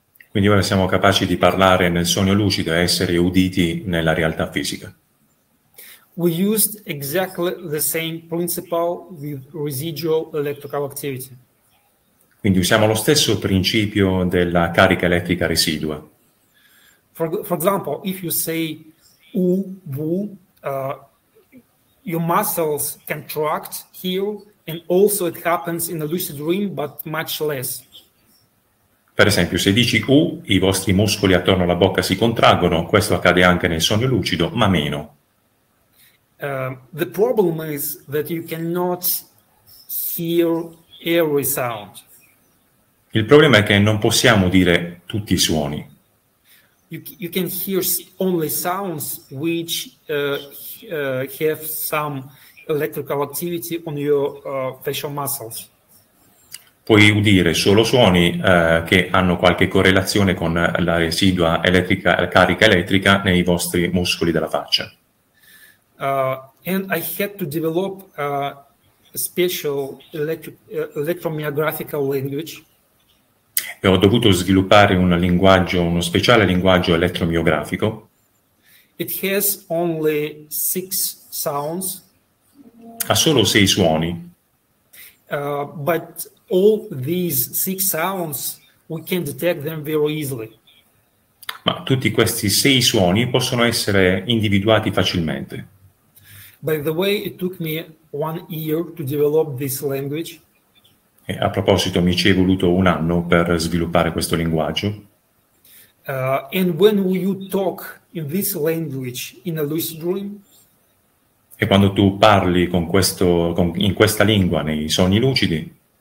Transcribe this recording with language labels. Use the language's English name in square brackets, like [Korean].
[Italian] Quindi ora siamo capaci di parlare nel sogno lucido e essere uditi nella realtà fisica. [English] We used exactly the same principle with residual electrical activity. [Italian] Quindi usiamo lo stesso principio della carica elettrica residua. [English] For example, if you say u vu, your muscles contract here, and also it happens in a lucid dream, but much less. [Italian] Per esempio, se dici u, i vostri muscoli attorno alla bocca si contraggono. Questo accade anche nel sogno lucido, ma meno. [English] The problem is that you cannot hear every sound. [Italian] Il problema è che non possiamo udire tutti i suoni. [English] You can hear only sounds which have some electrical activity on your facial muscles. [Italian] Puoi udire solo suoni che hanno qualche correlazione con la residua elettrica, la carica elettrica nei vostri muscoli della faccia. [English] And I had to develop a special electromyographical language. [Italian] E ho dovuto sviluppare un linguaggio, uno speciale linguaggio elettromiografico. [English] It has only six sounds. [Italian] Ha solo sei suoni. [English] But all these six sounds, we can detect them very easily. [Italian] Ma tutti questi sei suoni possono essere individuati facilmente. [English] By the way, it took me 1 year to develop this language. [Italian] E a proposito, mi ci è voluto un anno per sviluppare questo linguaggio. [English] And when will you talk in this language in a lucid dream? [Italian] E quando tu parli con questo, con, in questa lingua, nei sogni lucidi,